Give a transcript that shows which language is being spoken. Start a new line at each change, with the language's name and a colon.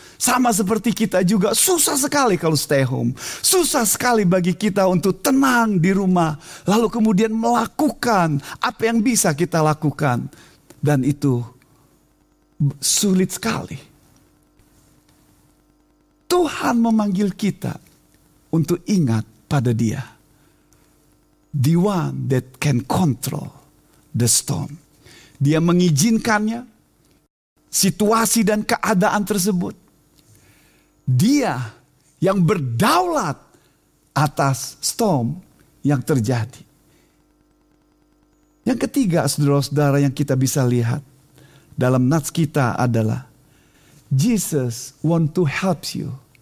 Indonesian: Sama seperti kita juga, susah sekali kalau stay home. Susah sekali bagi kita untuk tenang di rumah. Lalu kemudian melakukan apa yang bisa kita lakukan. Dan itu sulit sekali. Tuhan memanggil kita untuk ingat pada Dia.
English: The one that can control the storm.
Indonesian: Dia mengizinkannya, situasi dan keadaan tersebut. Dia yang berdaulat atas storm yang terjadi. Yang ketiga, saudara-saudara, yang kita bisa lihat dalam nats kita adalah
English: Jesus want to help you.